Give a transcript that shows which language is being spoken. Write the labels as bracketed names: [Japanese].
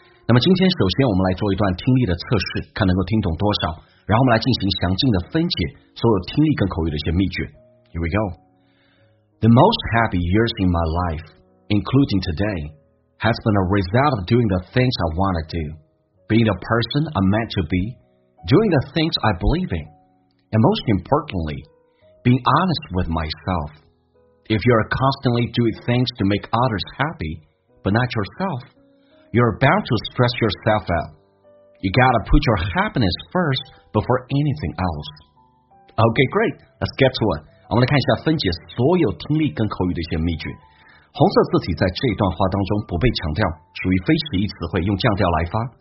[Chinese] 那么今天首先我们来做一段听力的测试，看能够听懂多少，然后我们来进行详尽的分解所有听力跟口语的一些秘诀。 [English] Here we go. The most happy years in my life, including today, has been a result of doing the things I want to do, being the person I'm meant to be, doing the things I believe in, and most importantly. Being honest with myself. If you are constantly doing things to make others happy, but not yourself, you are bound to stress yourself out. You gotta put your happiness first before anything else. Okay, great. Let's get to it. [Chinese] 我们来看一下分解所有听力跟口语的一些秘诀。红色字体在这一段话当中不被强调，属于非实义词汇，用降调来发。